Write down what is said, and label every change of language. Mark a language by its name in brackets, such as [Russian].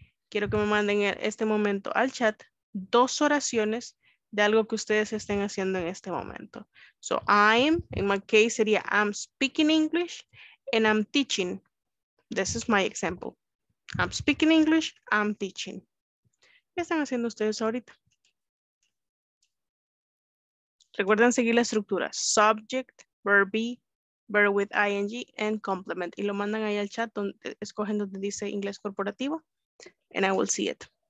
[Spanish] Quiero que me manden en este momento al chat dos oraciones de algo que ustedes estén haciendo en este momento. [English] So I'm, in my case sería, I'm speaking English and I'm teaching. This is my example. I'm speaking English, I'm teaching. [Spanish] ¿Qué están haciendo ustedes ahorita? Recuerden seguir la estructura. [English] Subject, verb be, verb with ing, and complement. [Spanish] Y lo mandan ahí al chat, donde, escogen donde dice inglés corporativo. [English] And I will see it.